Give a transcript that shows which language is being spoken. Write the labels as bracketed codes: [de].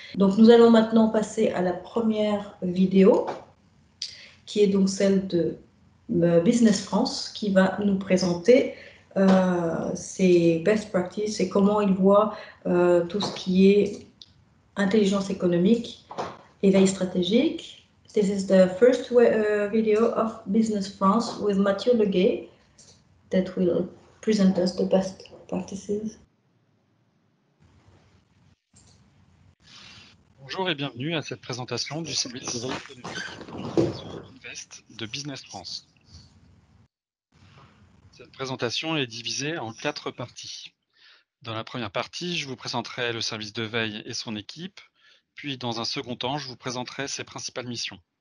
[fr] Donc nous allons maintenant passer à la première vidéo, qui est donc celle de Business France, qui va nous présenter ses best practices et comment il voit tout ce qui est intelligence économique et veille stratégique. [en] This is the first video of Business France with Mathieu Leguet that will present us the best practices. [fr] Bonjour et bienvenue à cette présentation du service des veilles économiques de Business France. Cette présentation est divisée en quatre parties. Dans la première partie, je vous présenterai le service de veille et son équipe, puis dans un second temps, je vous présenterai ses principales missions.